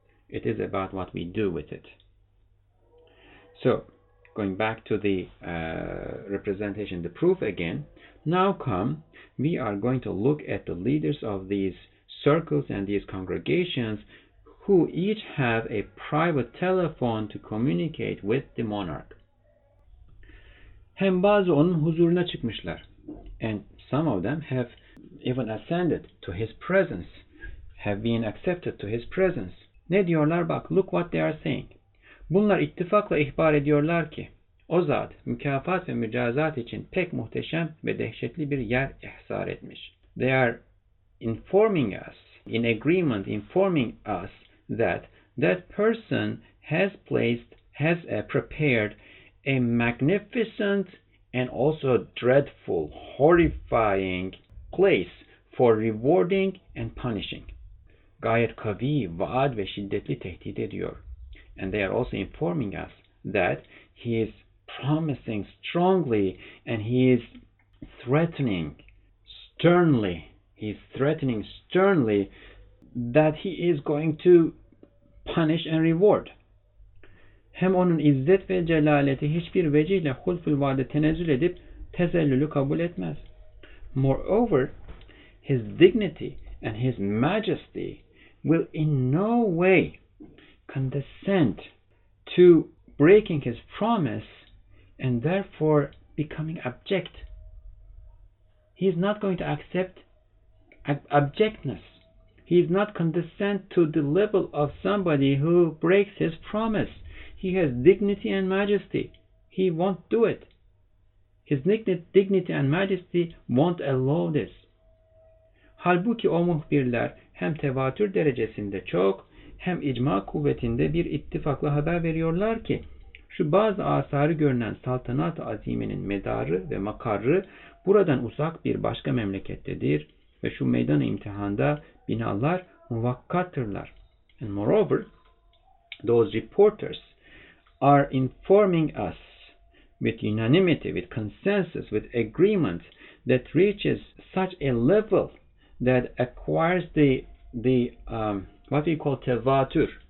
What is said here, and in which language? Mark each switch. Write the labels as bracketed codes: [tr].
[en] It is about what we do with it. So, going back to the representation, the proof again, now come, we are going to look at the leaders of these circles and these congregations who each have a private telephone to communicate with the monarch. [tr] Hem bazı onun huzuruna çıkmışlar. [en] And some of them have even ascended to his presence, have been accepted to his presence. [tr] Ne diyorlar? Bak, [en] look what they are saying. [tr] Bunlar ittifakla ihbar ediyorlar ki, o zat mükafat ve mücazat için pek muhteşem ve dehşetli bir yer ihsar etmiş. [en] They are informing us, in agreement, informing us that that person has placed, has prepared a magnificent and also dreadful, horrifying place for rewarding and punishing. [tr] Gayet kavi, vaad ve şiddetli tehdit ediyor. [en] And they are also informing us that he is promising strongly and he is threatening sternly. He is threatening sternly that he is going to punish and reward. [tr] Hem onun izzet ve celaleti hiçbir vecihle hulful vaade tenezzül edip tezellülü kabul etmez. [en] Moreover, his dignity and his majesty will in no way condescend to breaking his promise and therefore becoming abject. He is not going to accept abjectness. He is not condescend to the level of somebody who breaks his promise. He has dignity and majesty. He won't do it. His dignity and majesty won't allow this. [tr] Halbuki o muhbirler hem tevatür derecesinde çok hem icma kuvvetinde bir ittifakla haber veriyorlar ki, şu bazı asarı görünen saltanat-ı aziminin medarı ve makarı buradan uzak bir başka memlekettedir ve şu meydan-ı imtihanda binalar muvakkattırlar. [en] And moreover, those reporters are informing us with unanimity, with consensus, with agreement that reaches such a level that acquires what we call tevatur.